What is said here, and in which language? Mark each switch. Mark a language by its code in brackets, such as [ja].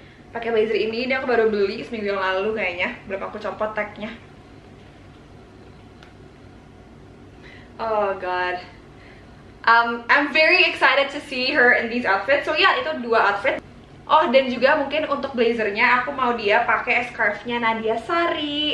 [id] pakai blazer ini aku baru beli seminggu yang lalu kayaknya. Berapa aku copot tag-nya. [en] Oh god. I'm very excited to see her in these outfits. So yeah, [id] itu dua outfit. Oh, dan juga mungkin untuk blazernya aku mau dia pakai scarf-nya Nadia Sari.